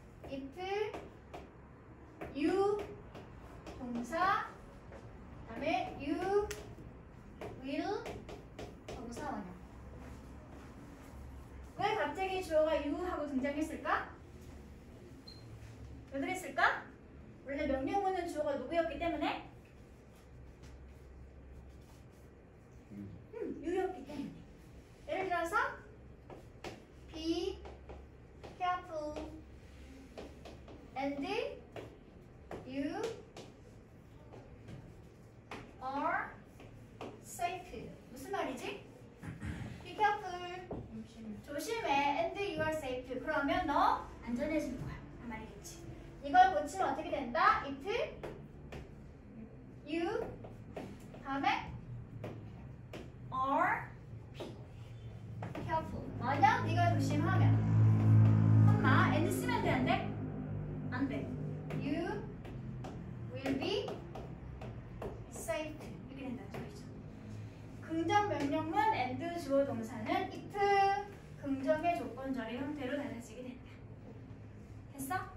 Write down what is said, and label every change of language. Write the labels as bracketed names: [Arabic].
[English] If you [Korean] 동사 다음에 [English] you will [Korean] 동사 원형. 왜 갑자기 주어가 you 하고 등장했을까? 왜 그랬을까? 원래 명령문은 주어가 누구였기 때문에? 유였기 때문에. 예를 들어서 [English] be careful and you are safe. [Korean] 무슨 말이지? [English] Be careful. [Korean] 조심해. [English] And you are safe. [Korean] 그러면 너 안전해진 거야. 한 말이겠지. 이걸 고치면 어떻게 된다? [English] If you [Korean] 다음에 [English] are careful. [Korean] 만약 네가 조심하면. 엄마, and 쓰면 되는데 안 돼. [English] You will be safe. [Korean] 이렇게 된다는 소리죠. 긍정 명령문 and 주어 동사는 if 긍정의 조건절의 형태로 달라지게 된다. 됐어?